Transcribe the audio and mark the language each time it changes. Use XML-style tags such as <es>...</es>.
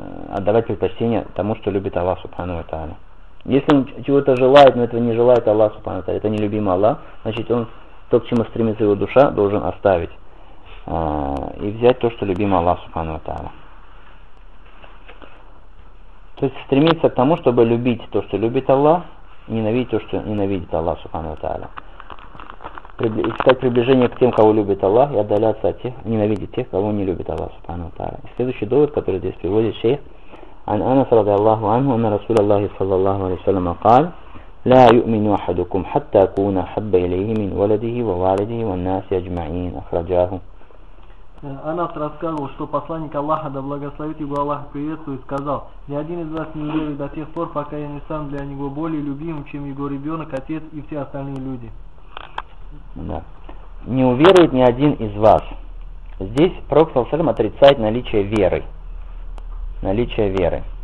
<ru>Отдавать предпочтение тому, что любит Аллах Субхану ва Тааля. Если он чего-то желает, но этого не желает Аллах Субхану ва Тааля, это не любимый Аллах, значит, он то, к чему стремится его душа, должен оставить и взять то, что любимый Аллах Субхану ва Тааля. То есть, стремиться к тому, чтобы любить то, что любит Аллах, и ненавидеть то, что ненавидит Аллах Субхану ва Тааля. Искать приближение к тем, кого любит Аллах, и отдаляться от тех, ненавидеть тех, кого не любит Аллах Субхану ва Тааля. Следующий довод, который здесь приводит шейх,</ru> <ar>عن أنس رضي الله عنه أن رسول الله صلى الله عليه وسلم قال لا يؤمن أحدكم حتى أكون أحب إليه من ولده ووالده والناس أجمعين أخرجاه.</ar> <ru>Анас рассказывал, что посланник Аллаха, да благословит его Аллах, приветствует, сказал: «Ни один из вас не уверен до тех пор, пока я не стану для него более любимым, чем его ребенок, отец и все остальные люди». Да. Не уверует ни один из вас. Здесь Пророк ﷺ отрицает наличие веры. Наличие веры.</ru>